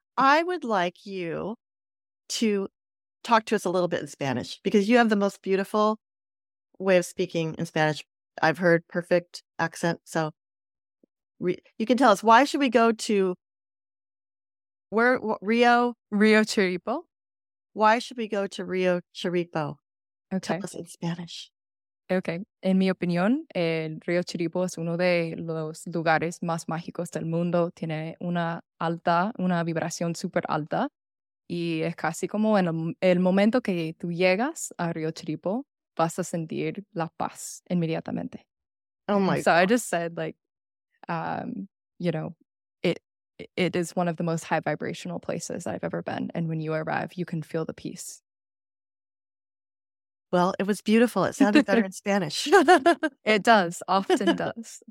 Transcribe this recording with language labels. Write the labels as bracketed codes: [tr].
[en] I would like you to talk to us a little bit in Spanish, because you have the most beautiful way of speaking in Spanish. I've heard perfect accent. So you can tell us, why should we go to Rio? Rio Chiribo. Why should we go to Rio Chiribo? Okay. Tell us in Spanish. Okay. [es] En mi opinión, el Rio Chiribo es uno de los lugares más mágicos del mundo. Tiene una vibración súper alta. Y es casi como en el momento que tú llegas a Rio Chiribo, vas a sentir la paz inmediatamente. [en] Oh my God. I just said, like, you know, it is one of the most high vibrational places I've ever been. And when you arrive, you can feel the peace. Well, it was beautiful. It sounded better in Spanish. It does. Often does.